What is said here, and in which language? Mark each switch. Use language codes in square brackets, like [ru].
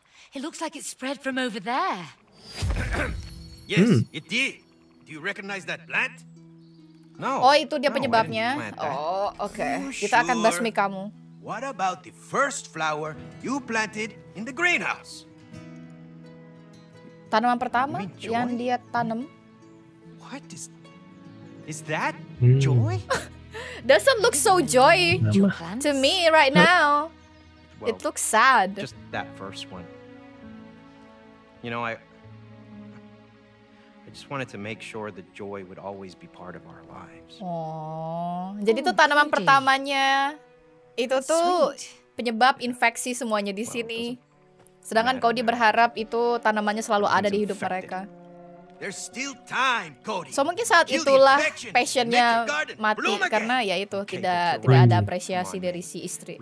[en] It looks like it spread from over there. Yes, it did. Do you recognize that plant? [id] Oh, itu dia penyebabnya. Oke. Kita akan basmi kamu. [en] What about the first flower you planted in the greenhouse? [id] Tanaman pertama yang dia tanam. [en] What is that? Joy? Doesn't look so joy to me right now. Well, it looks sad. Just that first one. You know, I just wanted to make sure that joy would always be part of our lives. [id] Jadi tuh tanaman pertamanya itu tuh penyebab infeksi semuanya di sini. Sedangkan Cody berharap itu tanamannya selalu ada di hidup mereka. [en] There's still time, Cody. [id] So mungkin saat itulah passionnya mati karena ya itu tidak ada apresiasi dari si istri.